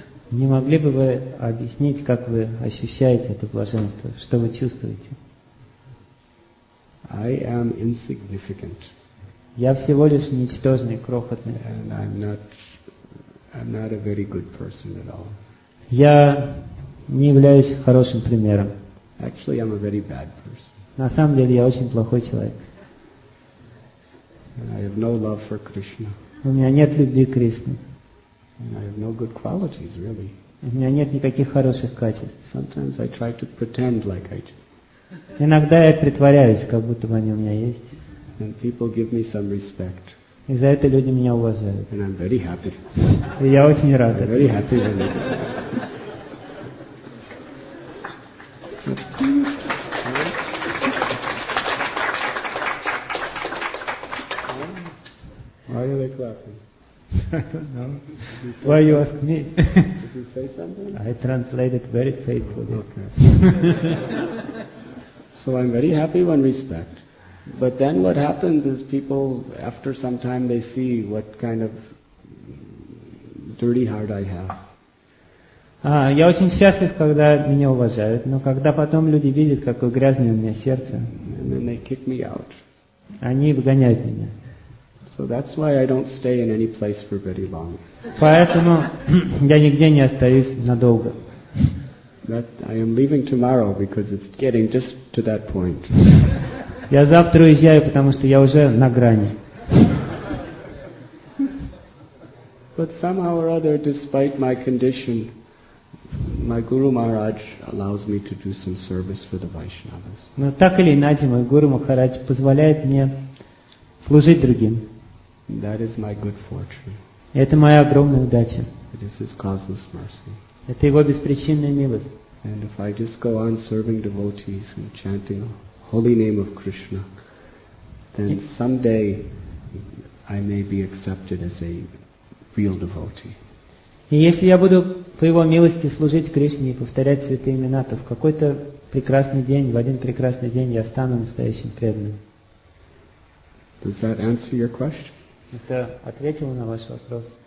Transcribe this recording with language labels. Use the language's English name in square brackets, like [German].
[Russian] Не могли бы вы объяснить, как вы ощущаете это блаженство? Что вы чувствуете? [English] I am insignificant. [Russian] Я всего лишь ничтожный, крохотный. [English] And I'm not a very good person at all. [Russian] Я не являюсь хорошим примером. [English] Actually, I'm a very bad person. [Russian] На самом деле, я очень плохой человек. [English] And I have no love for Krishna. [Russian] У меня нет любви к Кришне. [English] And I have no good qualities, really. [Russian] У меня нет никаких хороших качеств. [English] Sometimes I try to pretend like I do. [Russian] Иногда я притворяюсь, как будто бы они у меня есть. [English] And people give me some respect. [Russian] И за это люди меня уважают. [English] And I'm very happy. [Russian] И я очень рад. [English] I'm very happy when they do this. Why are they clapping? I don't know. Why you ask me? Did you say something? I translated very faithfully. Okay. So I'm very happy when respect. But then what happens is people, after some time, they see what kind of dirty heart I have. [Russian] Я очень счастлив, когда меня уважают. Но когда потом люди видят, какое грязное у меня сердце, [English] and then they kick me out. [Russian] Они выгоняют меня. [English] So that's why I don't stay in any place for very long. [Russian] Поэтому я нигде не остаюсь надолго. [English] But I am leaving tomorrow because it's getting just to that point. [Russian] Я завтра уезжаю, потому что я уже на грани. [English] But somehow or other, despite my condition, my Guru Maharaj allows me to do some service for the Vaishnavas. [Russian] Но так или иначе, мой Гуру Махарадж позволяет мне служить другим. [English] That is my good fortune. [Russian] Это моя огромная удача. [English] It is his causeless mercy. [Russian] Это его беспричинная милость. [English] And if I just go on serving devotees and chanting holy name of Krishna, then someday I may be accepted as a real devotee. [Russian] И если я буду по его милости служить Кришне и повторять святые имена, то в какой-то прекрасный день, в один прекрасный день я стану настоящим преданным. [English] Does that answer your question? [Russian] Это ответило на ваш вопрос?